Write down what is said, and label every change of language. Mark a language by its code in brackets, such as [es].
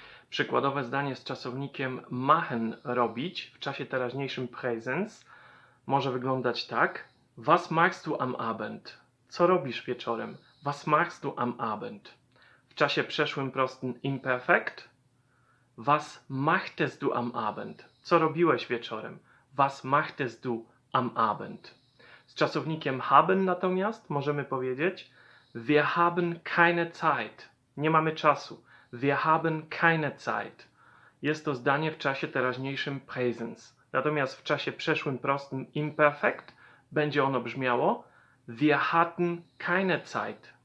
[pl] Przykładowe zdanie z czasownikiem machen, robić, w czasie teraźniejszym präsens może wyglądać tak: [de] Was machst du am Abend? [pl] Co robisz wieczorem? [de] Was machst du am Abend? [pl] W czasie przeszłym prostym imperfect: [de] Was machtest du am Abend? [pl] Co robiłeś wieczorem? [de] Was machtest du am Abend? [pl] Z czasownikiem haben natomiast możemy powiedzieć: [de] Wir haben keine Zeit. [pl] Nie mamy czasu. [de] Wir haben keine Zeit. [pl] Jest to zdanie w czasie teraźniejszym präsens. Natomiast w czasie przeszłym prostym imperfect będzie ono brzmiało: [de] Wir hatten keine Zeit.